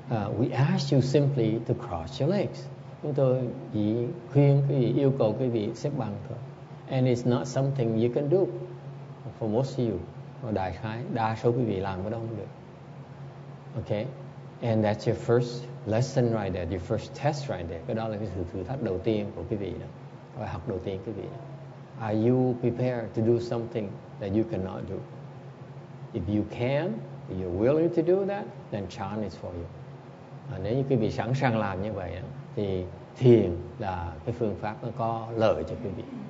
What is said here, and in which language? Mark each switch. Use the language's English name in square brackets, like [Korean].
[English] We ask you simply to cross your legs. [Vietnamese] Chúng tôi chỉ khuyên quý vị, yêu cầu quý vị xếp bằng thôi. [English] And it's not something you can do. For most of you, or [Vietnamese] đại khái, đa số quý vị làm cái đó không được. Okay? [English] And that's your first lesson right there, your first test right there. [Vietnamese] Cái đó là cái sự thử thách đầu tiên của quý vị đó. Bài học đầu tiên quý vị đó. [English] Are you prepared to do something that you cannot do? If you can, if you're willing to do that, then chan is for you. [Vietnamese] Nếu như quý vị sẵn sàng làm như vậy, thì thiền là cái phương pháp nó có lợi cho quý vị.